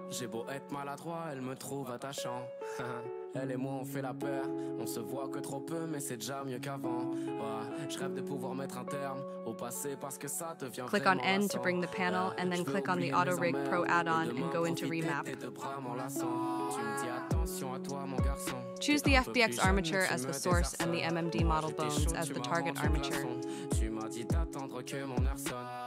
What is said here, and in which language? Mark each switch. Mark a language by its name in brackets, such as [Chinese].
[French] J'ai beau être maladroit, elle me trouve attachant. Elle et moi on fait la paire. On se voit que trop peu, mais c'est déjà mieux qu'avant. Ouais, je rêve de pouvoir mettre un terme au passé parce que ça devient. [English] Click on end to bring the panel, and then click on the Auto Rig Pro add-on and go into remap. [French] Tu me dis attention à toi, mon garçon. [English] Choose the FBX armature as the source and the MMD model bones as the target armature. [French] Tu m'as dit d'attendre que mon heure sonne.